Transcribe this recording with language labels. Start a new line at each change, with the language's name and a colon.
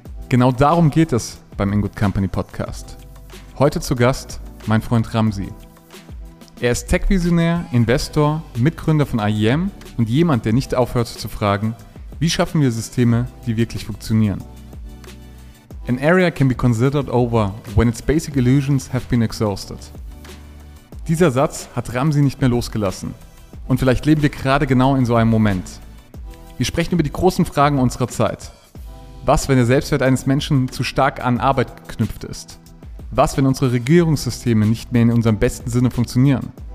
German: Genau darum geht es beim In Good Company Podcast. Heute zu Gast mein Freund Ramzi. Er ist Tech-Visionär, Investor, Mitgründer von IEM und jemand, der nicht aufhört zu fragen, wie schaffen wir Systeme, die wirklich funktionieren?
English: An area can be considered over when its basic illusions have been exhausted.
German: Dieser Satz hat Ramzi nicht mehr losgelassen. Und vielleicht leben wir gerade genau in so einem Moment. Wir sprechen über die großen Fragen unserer Zeit. Was, wenn der Selbstwert eines Menschen zu stark an Arbeit geknüpft ist? Was, wenn unsere Regierungssysteme nicht mehr in unserem besten Sinne funktionieren?